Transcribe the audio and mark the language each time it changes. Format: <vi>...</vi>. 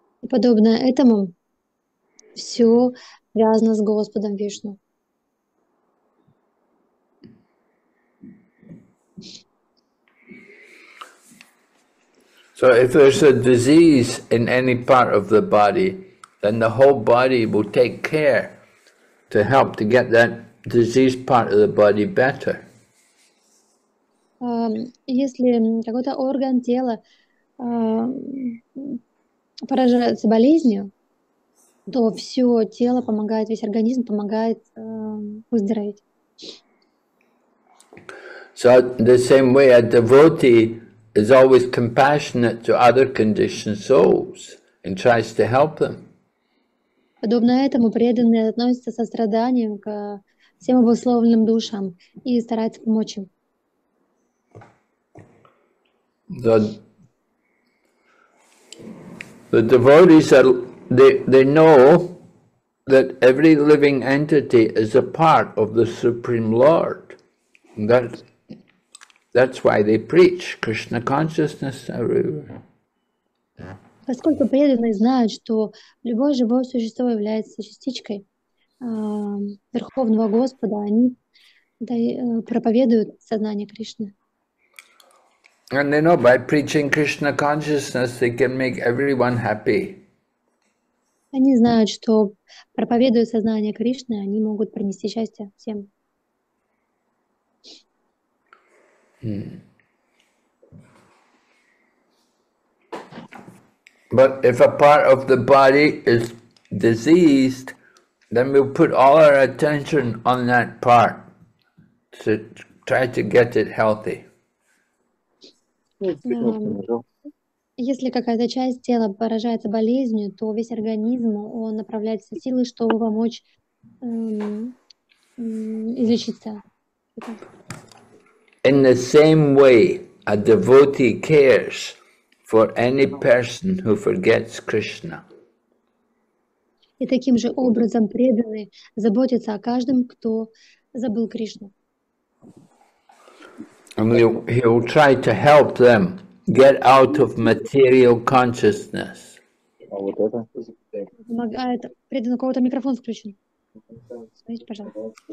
<ru>Подобно этому, все связано с Господом Вишну.</ru> <en>So if there's a disease in any part of the body, then the whole body will take care to help to get that diseased part of the body better.</en> <ru>Если какой-то орган тела поражается болезнью, то все тело помогает, весь организм помогает выздороветь.</ru> <en>So the same way a devotee is always compassionate to other conditioned souls and tries to help them.</en> <ru>Подобно этому преданные относятся со страданием к всем обусловленным душам и стараются помочь им.</ru> <en>The devotees are they know that every living entity is a part of the Supreme Lord. That's why they preach Krishna consciousness everywhere.</en> <ru>Поскольку преданные знают, что любое живое существо является частичкой Верховного Господа, они проповедуют сознание Кришны.</ru> <en>And they know by preaching Krishna consciousness, they can make everyone happy.</en> <ru>Они знают, что проповедуя сознание Кришны, они могут принести счастье всем.</ru> <en>But if a part of the body is diseased, then we'll put all our attention on that part to try to get it healthy.</en> <ru>Если какая-то часть тела поражается болезнью, то весь организм, он направляет все силы, чтобы помочь излечиться.</ru> <en>In the same way, a devotee cares for any person who forgets Krishna.</en> <ru>И таким же образом преданный заботится о каждом, кто забыл Кришну.</ru> <en>And he will try to help them get out of material consciousness.</en> <ru>Помогает преданно, у кого-то микрофон включен. Смотрите, пожалуйста.</ru>